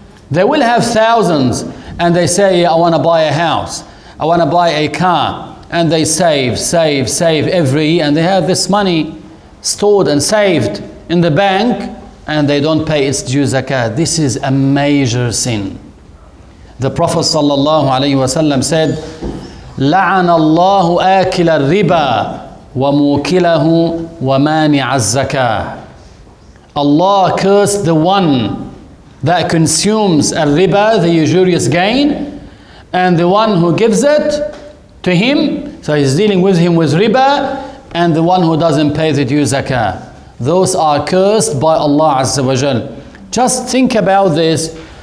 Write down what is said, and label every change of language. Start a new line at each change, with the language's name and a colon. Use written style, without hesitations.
English: They will have thousands, and they say, yeah, I want to buy a house, I want to buy a car, and they save every year, and they have this money stored and saved in the bank, and they don't pay its due zakah. This is a major sin. The Prophet sallallahu alayhi wasallam said,
Arabic: لَعَنَ اللَّهُ آكِلَ الرِّبَى وَمُوكِلَهُ وَمَانِعَ الزَّكَاةِ.
English: Allah cursed the one that consumes a riba, the usurious gain, and the one who gives it to him. So he's dealing with him with riba, and the one who doesn't pay the due zakah. Those are cursed by Allah Azza wa Jal. Just think about this.